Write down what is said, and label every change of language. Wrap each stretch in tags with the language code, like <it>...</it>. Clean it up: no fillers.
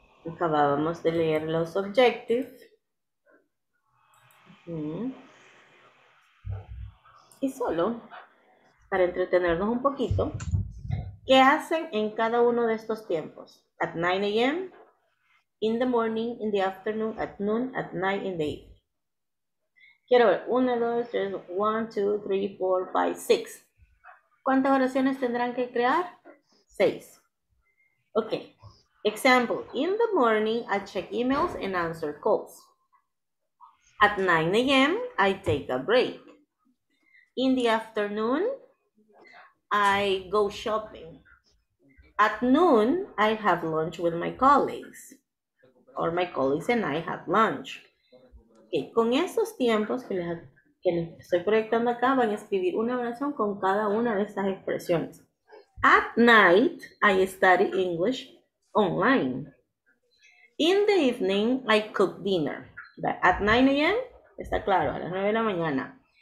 <es>Acabábamos de leer los objectives. Y solo para entretenernos un poquito, ¿qué hacen en cada uno de estos tiempos?</es> <en>At 9 a.m., in the morning, in the afternoon, at noon, at night, in the evening.</en> <es>Quiero ver, 1, 2, 3, 1, 2, 3, 4, 5, 6. ¿Cuántas oraciones tendrán que crear? 6. Ok.</es> <en>Example, in the morning, I check emails and answer calls. At 9 a.m., I take a break. In the afternoon, I go shopping. At noon, I have lunch with my colleagues. Or my colleagues and I have lunch. Okay.</en> <es>Con estos tiempos que les estoy proyectando acá, van a escribir una oración con cada una de estas expresiones.</es> <en>At night, I study English online. In the evening, I cook dinner. At 9 a.m.,</en> <es>está claro, a las 9 de la mañana.</es>